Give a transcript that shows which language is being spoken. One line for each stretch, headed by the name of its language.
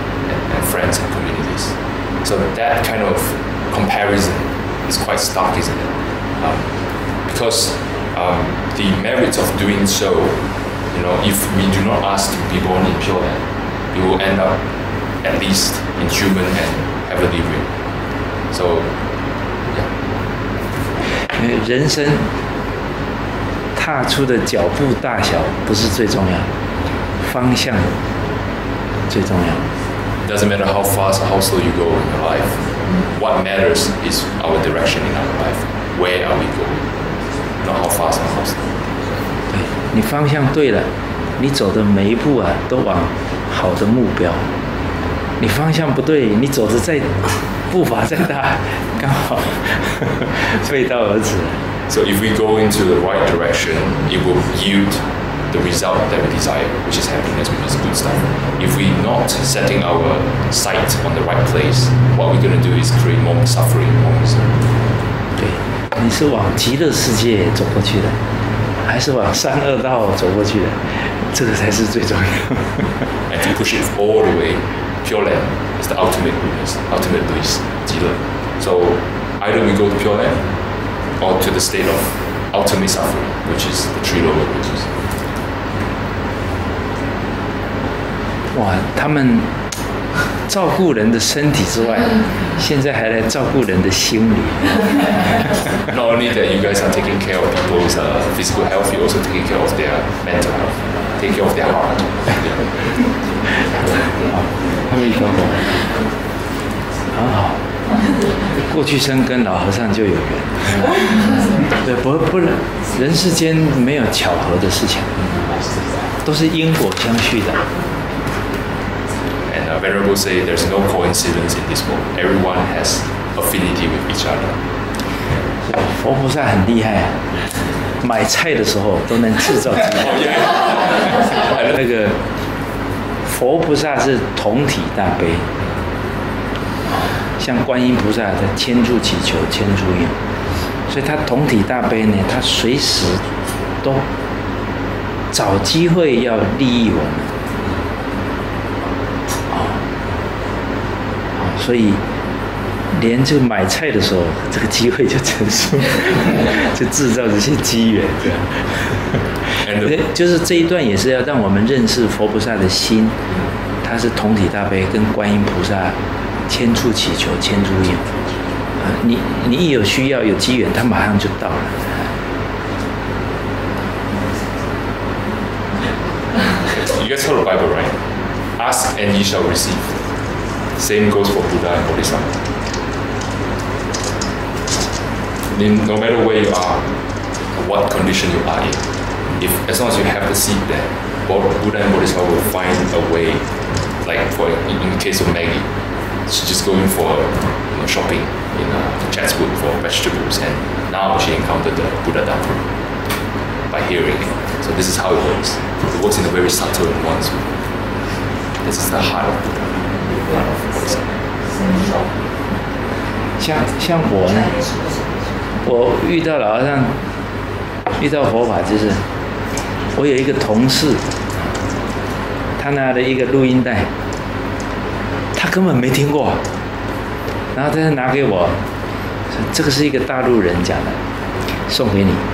English: And friends and communities. So that kind of comparison is quite stark, isn't it? Because the merits of doing so, you know, if we do not ask to be born in Pure Land, we will end up at least in human and heavenly realm. So, yeah.
Chinese: 人生踏出的脚步大小不是最重要，方向最重要。
English: Doesn't matter how fast, how slow you go in your life. What matters is our direction in our life. Where are we going? Not how fast and how slow.
Chinese: 对，你方向对了，你走的每一步啊，都往好的目标。你方向不对，你走的再步伐再大，刚好背道而驰。
English: So if we go into the right direction, it will yield the result that we desire, which is happiness, which is good stuff. If we not setting our sight on the right place, what we're going to do is create more suffering, more misery.
Chinese: 对，你是往极乐世界走过去的，还是往三恶道走过去的？这个才是最重要。
English: And to push it all the way, Pure Land is the ultimate goodness, ultimate bliss, 极乐。 So either we go to Pure Land. Or to the state of ultimate suffering, which is the three lower bridges.
Chinese: 哇，他们照顾人的身体之外，现在还来照顾人的心理。
English: Not only that you guys are taking care of people's physical health, you're also taking care of their mental health, taking care of their heart.
Chinese: 阿弥陀佛，很好。过去生跟老和尚就有缘，对，不然人世间没有巧合的事情，都是因果相续的。
English: And Venerable say there's no coincidence in this world. Everyone has affinity with each other.
Chinese: 佛菩萨很厉害，买菜的时候都能制造机会。那个佛菩萨是同体大悲。像观音菩萨的千住祈求千住应，所以他同体大悲呢，他随时都找机会要利益我们，所以连这个买菜的时候，这个机会就成熟，就制造这些机缘，就是这一段也是要让我们认识佛菩萨的心，他是同体大悲，跟观音菩萨。千处祈求千处应，你一有需要有机缘，他马上就到了。
English: You guys heard the Bible right? Ask and ye shall receive. Same goes for Buddha and Bodhisattva. No matter where you are, what condition you are in, if as long as you have the seed there, Buddha and Bodhisattva will find a way. Like for in the case of Maggie. She's just going for shopping in Chatswood for vegetables, and now she encountered the Buddha Dhamma by hearing it. So this is how it works. It works in a very subtle and one way. This is the heart of Buddha. Heart of Buddha.
Chinese: 像我呢，我遇到老和尚，遇到佛法就是，我有一个同事，他拿了一个录音带。他根本没听过，然后他就拿给我，说这个是一个大陆人讲的，送给你。